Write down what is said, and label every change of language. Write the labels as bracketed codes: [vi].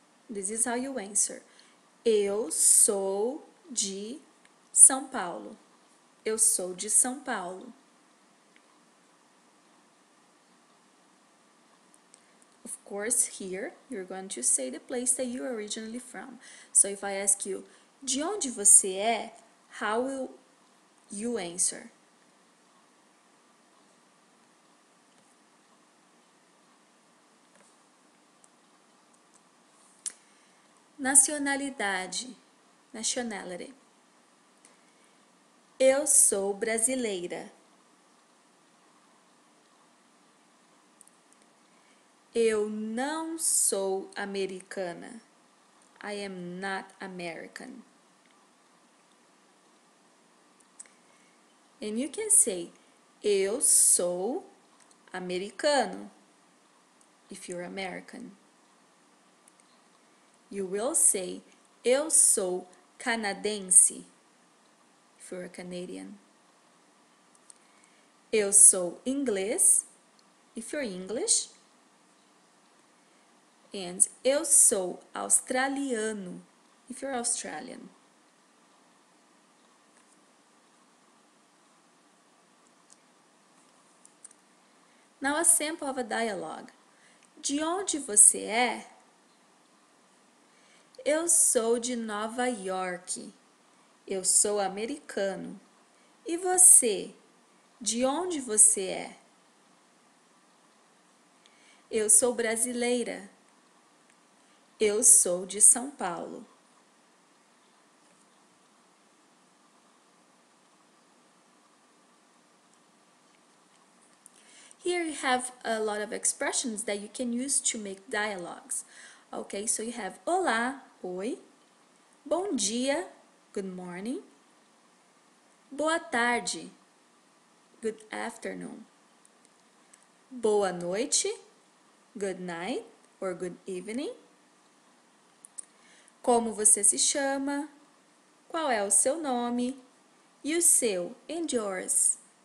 [en] This is how you answer. [pt] Eu sou de São Paulo. Eu sou de São Paulo. [en] Of course, here you're going to say the place that you're originally from. So if I ask you, de onde você é? How will you answer? [pt] Nacionalidade, nationality. Eu sou brasileira. Eu não sou americana. [en] I am not American. And you can say, [pt] eu sou americano, [en] if you're American. You will say, [pt] eu sou canadense, [en] if you're a Canadian. [pt] Eu sou inglês, [en] if you're English. And [pt] eu sou australiano, [en] if you're Australian. Now a sample of a dialogue. [pt] De onde você é? Eu sou de Nova York. Eu sou americano. E você? De onde você é? Eu sou brasileira. Eu sou de São Paulo. [en] Here you have a lot of expressions that you can use to make dialogues. Okay, so you have [pt] olá, oi, bom dia, [en] good morning, [pt] boa tarde, [en] good afternoon, [pt] boa noite, [en] good night or good evening, [pt] como você se chama, qual é o seu [en] nome, e o seu, and yours.